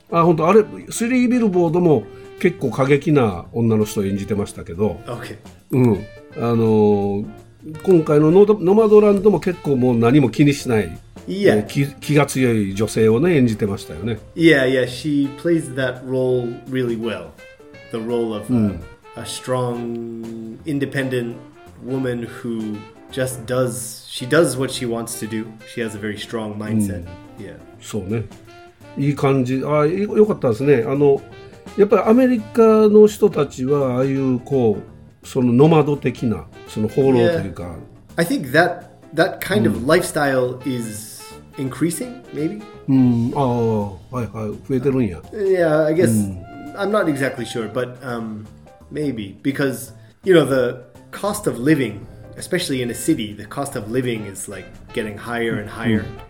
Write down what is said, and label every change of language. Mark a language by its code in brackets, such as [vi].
[ja] あ、本当、あれ、スリービルボードも結構過激な女の人を演じてましたけど。 [en] Okay. [ja] あの、今回のノマドランドも結構もう何も気にしない、 [en] yeah. [ja] 気が強い女性をね演じてましたよね。 [en] Yeah, she plays that role really well. The role of a strong, independent woman who just does what she wants to do. She has a very strong mindset. [ja] そうね。いい感じ。あ、よかったですね。あの、やっぱりアメリカの人たちはああいうこう、そのノマド的な、その放浪というか。 [en] I think that kind of lifestyle is increasing, maybe? [ja] はい、増えてるんや。 [en] Yeah, I guess, I'm not exactly sure, but maybe, because, you know, the cost of living, especially in a city, the cost of living is like getting higher and higher.